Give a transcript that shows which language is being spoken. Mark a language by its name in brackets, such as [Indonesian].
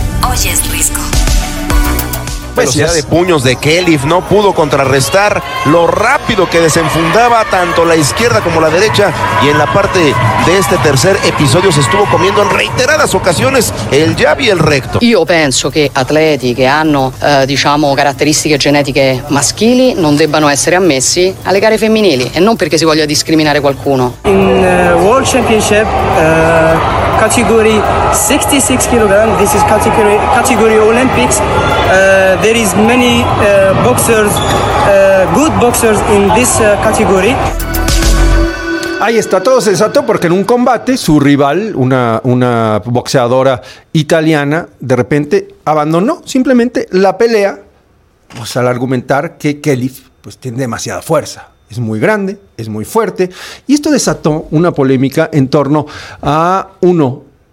[Spanish] Oye, es Risco. Velocidad de puños de Khelif no pudo contrarrestar lo rápido que desenfundaba tanto la izquierda como la derecha, y en la parte de este tercer episodio se estuvo comiendo en reiteradas ocasiones el jab y el recto. Yo pienso que [Italian] atleti que hanno caratteristiche genetiche maschili non debbano essere ammessi alle gare femminili, e non perché si voglia discriminare qualcuno. [English] In World Championship category 66 kg, this is category Olympics. There is many boxers, good boxers in this category. [Spanish] Ahí está, todo se desató porque en un combate su rival, una boxeadora italiana, de repente abandonó simplemente la pelea, pues al argumentar que Khelif pues tiene demasiada fuerza. Es muy grande, es muy fuerte. Y esto desató una polémica en torno a uno.